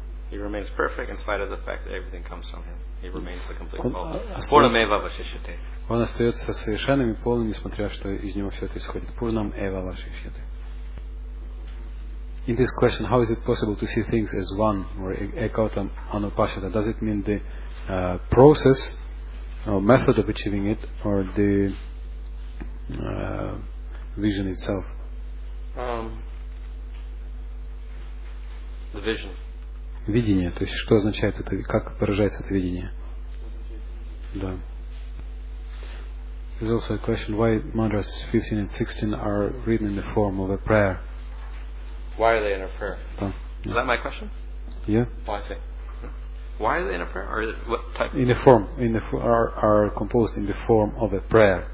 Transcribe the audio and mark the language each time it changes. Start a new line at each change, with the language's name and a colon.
English: He remains perfect in spite of the fact that everything comes from him. He remains the complete whole.
Sanskrit: Пурнам эва вашишьяте.
Russian: Он остается совершенным и полным, несмотря что из него все это исходит.
Sanskrit: Пурнам эва вашишьяте.
English: in this question, how is it possible to see things as one or ekautam anupashata? Does it mean the process or method of achieving it, or the vision itself? The vision.
Russian: Видение. То есть, что означает это? Как выражается это видение? Да.
English: There's also a question why mantras 15 and 16 are written in the form of a prayer. Why are they in a prayer?
Russian: Да.
English: Is that my question? Yeah. Oh, I see. Why are they in a prayer? Or what type? In the form. In the are composed in the form of a prayer.